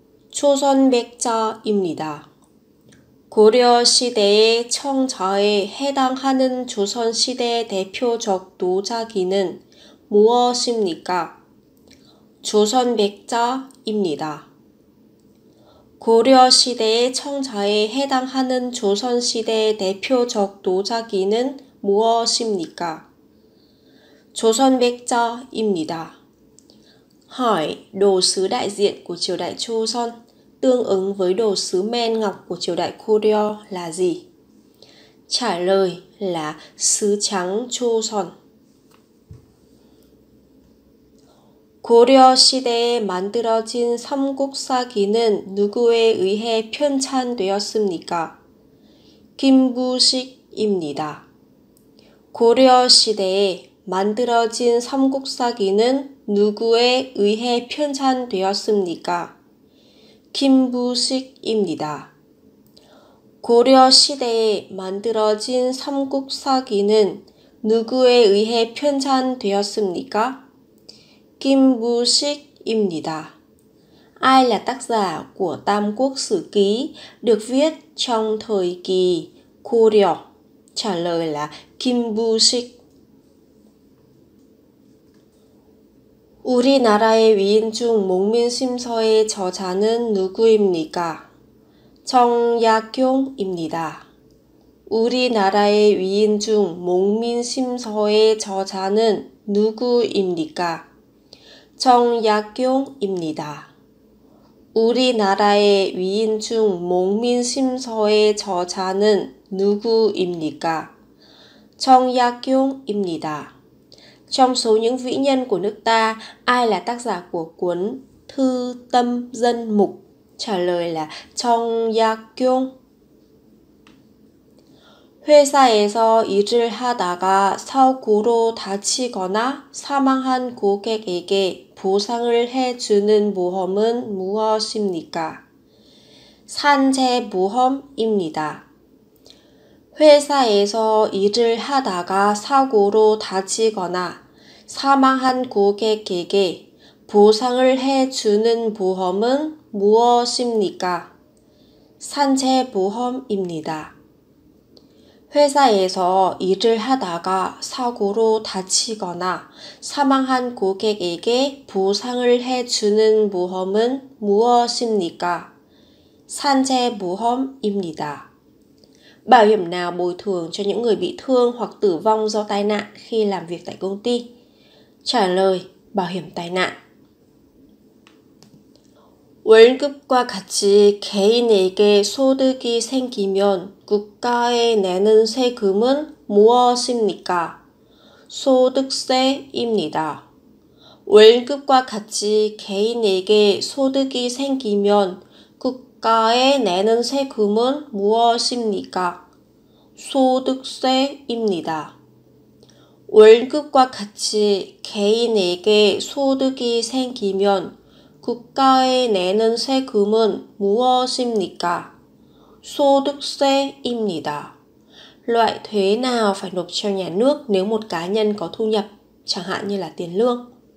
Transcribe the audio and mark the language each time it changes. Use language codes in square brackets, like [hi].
[ko] 조선백자입니다. 고려시대의 청자에 해당하는 조선시대 대표적 노자기는 무엇입니까? 조선백자입니다. 고려시대의 청자에 해당하는 조선시대의 대표적 노자기는 무엇입니까? 조선백자입니다. [vi] Hỏi đồ sứ đại diện của triều đại Joseon, tương ứng với đồ sứ men ngọc của triều đại Goryeo là gì? Trả lời là sứ trắng Joseon. [ko] 고려시대에 만들어진 삼국사기는 누구에 의해 편찬되었습니까? 김부식입니다. 고려시대에 만들어진 삼국사기는 누구에 의해 편찬되었습니까? 김부식입니다. 고려시대에 만들어진 삼국사기는 누구에 의해 편찬되었습니까? 김부식입니다. [vi] Ai là tác giả của Tam Quốc Sử Ký được viết trong thời kỳ Goryeo? Trả lời là Kim Bushik. [ko] 우리나라의 위인 중 목민심서의 저자는 누구입니까? 정약용입니다. 우리나라의 위인 중 목민심서의 저자는 누구입니까? 정약용입니다. 우리나라의 위인 중 목민심서의 저자는 누구입니까? 정약용입니다. [vi] Trong số những vĩ nhân của nước ta, ai là tác giả của cuốn Thư Tâm Dân Mục? Trả lời là정약용. [ko] 회사에서 일을 하다가 사고로 다치거나 사망한 고객에게 보상을 해주는 보험은 무엇입니까? 산재보험입니다. 회사에서 일을 하다가 사고로 다치거나 사망한 고객에게 보상을 해주는 보험은 무엇입니까? 산재보험입니다. 회사에서 일을 하다가 사고로 다치거나 사망한 고객에게 보상을 해주는 보험은 무엇입니까? 산재보험입니다. [vi] Bảo hiểm nào bồi thường cho những người bị thương hoặc tử vong do tai nạn khi làm việc tại công ty? Trả lời, bảo hiểm tai nạn. [ko] 월급과 같이 개인에게 소득이 생기면 국가에 내는 세금은 무엇입니까? 소득세입니다. 월급과 같이 개인에게 소득이 생기면 국가에 내는 세금은 무엇입니까? 소득세입니다. 월급과 같이 개인에게 소득이 생기면 국가에 내는 세금은 무엇입니까? 소득세입니다. [vi] Loại thuế nào phải nộp cho nhà nước nếu một cá nhân có thu nhập, chẳng hạn như là tiền lương?